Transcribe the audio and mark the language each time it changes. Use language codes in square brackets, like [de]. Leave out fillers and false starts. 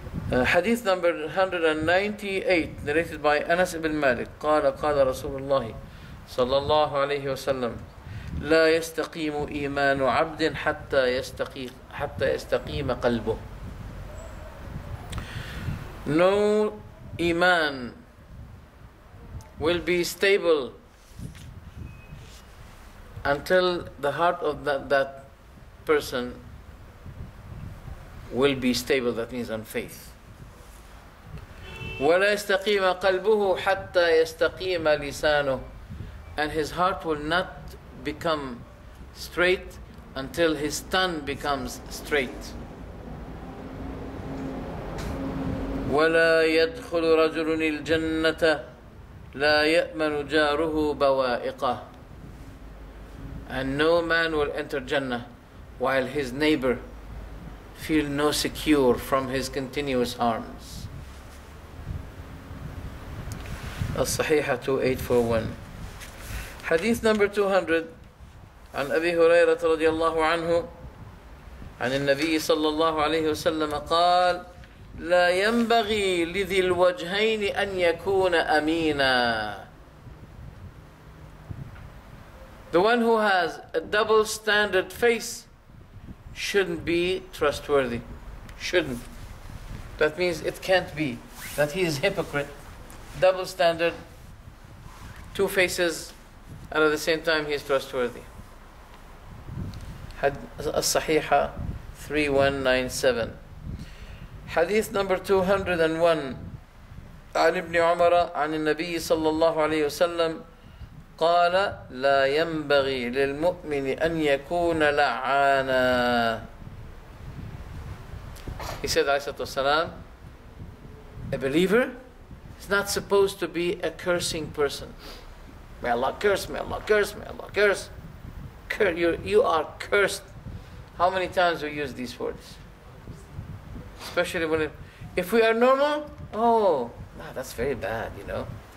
[en] Hadith number 198, narrated by Anas ibn Malik. [ar] Qala qala Rasulullah sallallahu alayhi wa sallam. لا يستقيم إيمان عبد حتى يستقيم قلبه. [en] No iman will be stable until the heart of that person will be stable. That means on faith. [ar] ولا يستقيم قلبه حتى يستقيم لسانه. [en] And his heart will not become straight until his tongue becomes straight. [ar] وَلَا يَدْخُلُ رَجُلٌ الْجَنَّةَ لَا يَأْمَنُ جَارُهُ بَوَائِقَهُ. [en] And no man will enter Jannah while his neighbor feel no secure from his continuous harms. As-Sahihah 2841. Hadith number 200. [ar] عن أبي هريرة رضي الله عنه عن النبي صلى الله عليه وسلم قال لا ينبغي لذي الوجهين أن يكون أمينا. [en] The one who has a double standard face shouldn't be trustworthy. Shouldn't. That means it can't be. That he is hypocrite. Double standard. Two faces and at the same time he is trustworthy. As-Sahihah 3197. Hadith number 201. [ar] عن ابن عمر عن النبي صلى الله عليه وسلم قال لا ينبغي للمؤمن أن يكون لعانا. [en] He said عليه الصلاة والسلام, a believer is not supposed to be a cursing person. May Allah curse, may Allah curse, may Allah curse. You are cursed. How many times we use these words? Especially when, if we are normal, that's very bad, you know.